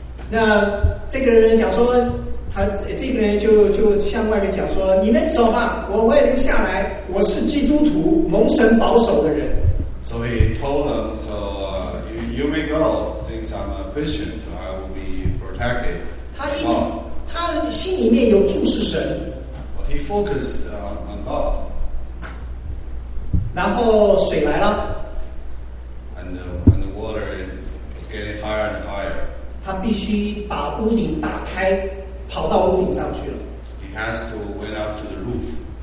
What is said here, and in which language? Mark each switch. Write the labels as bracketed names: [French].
[Chinese] 那这个人讲说，他这个人就向外面讲说，你们走吧，我会留下来。我是基督徒，蒙神保守的人。 [English] So he told them, so you may go. Since I'm a Christian, I will be protected. [Chinese] 他心里面有注视神。 [English] But he focused on God. [Chinese] 然后水来了。 [English] And the water was getting higher and higher. [Chinese] 他必须把屋顶打开，跑到屋顶上去了。 [English] He has to went up to the roof.